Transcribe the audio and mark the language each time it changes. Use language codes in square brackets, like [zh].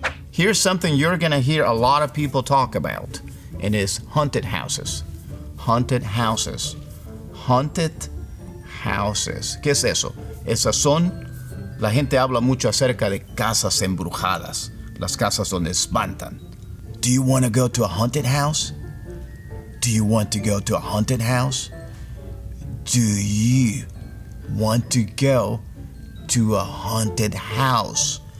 [en] Here's something you're gonna hear a lot of people talk about, and it's haunted houses. Haunted houses. Haunted houses. [es] ¿Qué es eso? Esas son, la gente habla mucho acerca de casas embrujadas. Las casas donde espantan. [en] Do you want to go to a haunted house? Do you want to go to a haunted house? Do you want to go to a haunted house?